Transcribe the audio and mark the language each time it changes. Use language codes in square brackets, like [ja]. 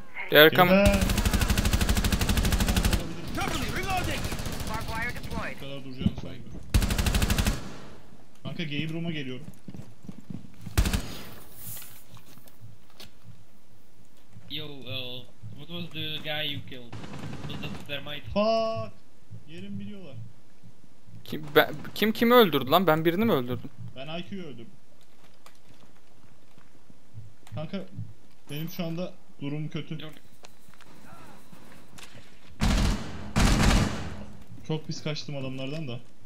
[tr] Diğer kam. Bu kadar duracağını saygı. Kanka game room'a geliyorum. [en] Yo, what was the guy you killed? Was that thermite? Fuck! [tr] Yerim biliyorlar. Kim, ben, kim kimi öldürdü lan? Ben birini mi öldürdüm? Ben IQ'yu öldürdüm. Kanka, benim şu anda durum kötü. Yok. Çok pis kaçtım adamlardan da.